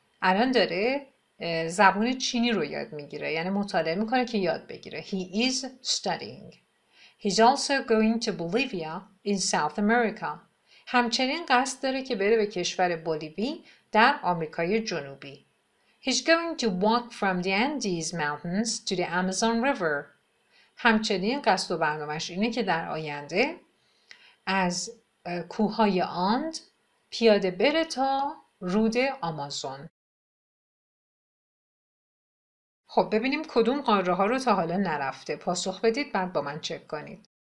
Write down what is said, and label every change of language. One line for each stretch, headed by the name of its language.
Persian: الان داره زبان چینی رو یاد میگیره. یعنی مطالعه میکنه که یاد بگیره.
English: He is studying. He's also going to Bolivia in South America.
Persian: همچنین قصد داره که بره به کشور بولیوی در آمریکای جنوبی.
English: He's going to walk from the Andes Mountains to the Amazon River.
Persian: همچنین قصد و برنامه‌اش اینه که در آینده از کوههای آند پیاده بره تا رود آمازون. خب ببینیم کدوم قاره‌ها رو تا حالا نرفته. پاسخ بدید بعد با من چک کنید.